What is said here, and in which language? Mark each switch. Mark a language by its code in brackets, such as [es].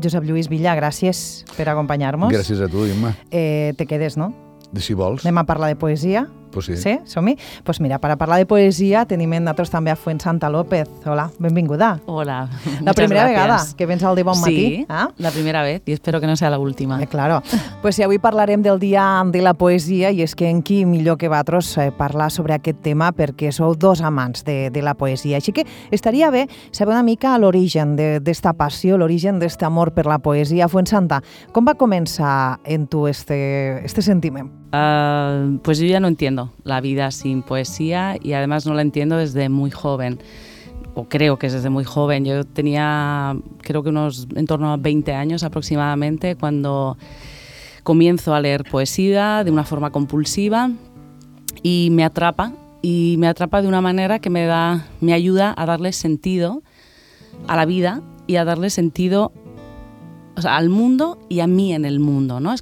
[ca] Josep Lluís Villa, gràcies per acompanyar-nos. Gràcies a tu, Imma. Te quedes, no? Si vols. Anem a parlar de poesia? [es] Pues sí. [ca] Sí? Som-hi? Pues mira, per a parlar de poesia tenim en nosaltres també a Fuensanta López. Hola, benvinguda. Hola, la primera gràcies. Vegada que vens al Di Bon Matí. Sí, la primera vegada i espero que no sigui la última. [es] Claro. [ca] Pues sí, avui parlarem del Dia de la Poesia i és que en qui millor que vosaltres parlar sobre aquest tema perquè sou dos amants de la poesia. Així que estaria bé saber una mica l'origen d'esta passió, l'origen d'aquest amor per la poesia. Fuensanta, com va començar en tu este sentiment? [es] Pues yo ya no entiendo la vida sin poesía y además no la entiendo desde muy joven, o creo que es desde muy joven. Yo tenía creo que unos en torno a 20 años aproximadamente cuando comienzo a leer poesía de una forma compulsiva y me atrapa de una manera que me ayuda a darle sentido a la vida y a darle sentido o sea, al mundo y a mí en el mundo, ¿no?